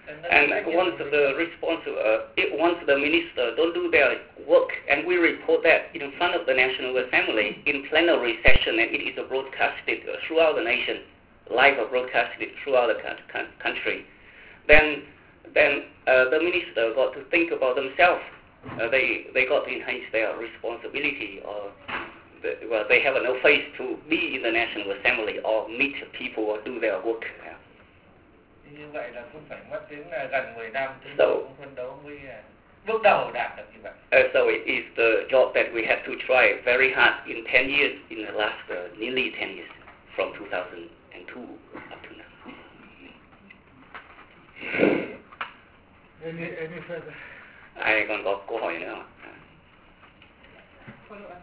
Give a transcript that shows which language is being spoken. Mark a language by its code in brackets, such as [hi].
[en] And once the responsible, once the minister don't do their work, and we report that in front of the National Assembly in plenary session, and it is broadcasted throughout the nation, live broadcasted throughout the country, then the minister got to think about themselves. They got to enhance their responsibility or. Well, they have no face to be in the National Assembly or meet people or do their work. [vi] Như vậy là cũng phải mất đến gần 10 năm chúng phấn đấu mới bước đầu đạt được như vậy. [en] So it is the job that we have to try very hard in 10 years, in the last nearly 10 years, from 2002 up to now. Any further? [vi] Ai còn có câu hỏi nữa không?